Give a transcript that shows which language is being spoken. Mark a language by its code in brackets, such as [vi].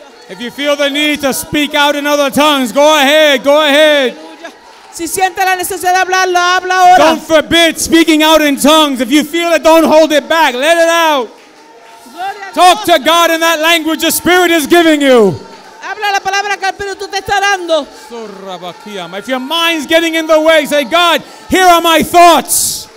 [en] If you feel the need to speak out in other tongues, go ahead, go ahead. [es] Si siente la necesidad de hablarlo, habla ahora. [en] Don't forbid speaking out in tongues. If you feel it, don't hold it back. Let it out. Talk to God in that language the Spirit is giving you. [es] Habla la palabra que el Espíritu te está dando. [en] If your mind's getting in the way, say, God, here are my thoughts.